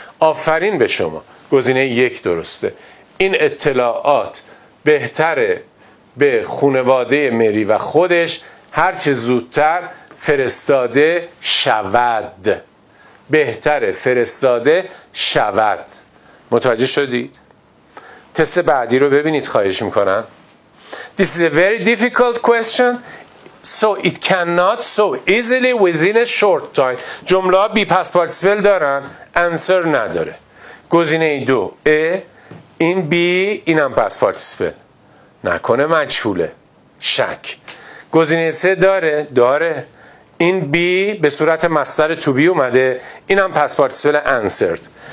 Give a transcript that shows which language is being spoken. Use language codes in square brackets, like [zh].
[fa] آفرین به شما، گزینه یک درسته. این اطلاعات بهتره به خانواده مری و خودش هر چه زودتر فرستاده شود، بهتره فرستاده شود. متوجه شدید؟ تست بعدی رو ببینید، خواهش میکنم. [en] This is a very difficult question, so it cannot so easily within a short time. [fa] جمله بی پس پارتیسیپل دارن، answer نداره. گزینه دو، a، این بی، اینم پس پارتیسیپل، نکنه مجهوله، شک. گزینه سه داره، داره، این بی به صورت مصدر تو بی اومده، اینم پس پارتیسیپل انسرد.